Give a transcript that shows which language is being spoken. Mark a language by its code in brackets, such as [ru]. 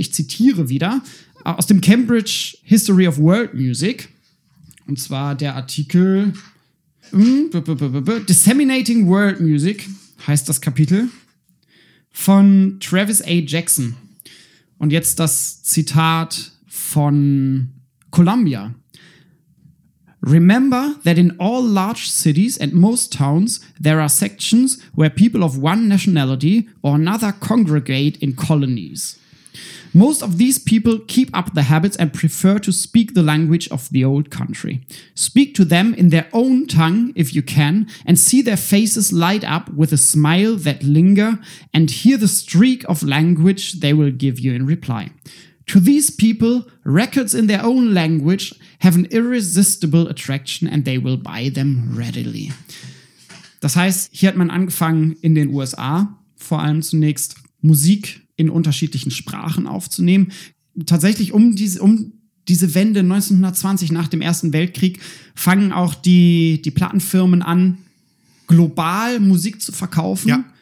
[de] Ich zitiere wieder aus dem Cambridge History of World Music, und zwar der Artikel Disseminating World Music, heißt das Kapitel, von Travis A. Jackson. Und jetzt das Zitat von Columbia. [en] Remember that in all large cities and most towns, there are sections where people of one nationality or another congregate in colonies. Most of these people keep up the habits and prefer to speak the language of the old country. Speak to them in their own tongue, if you can, and see their faces light up with a smile that linger and hear the streak of language they will give you in reply. To these people, records in their own language have an irresistible attraction and they will buy them readily. [de] Das heißt, hier hat man angefangen, in den USA vor allem zunächst Musik in unterschiedlichen Sprachen aufzunehmen. Tatsächlich um diese Wende 1920 nach dem Ersten Weltkrieg fangen auch die Plattenfirmen an, global Musik zu verkaufen. Ja.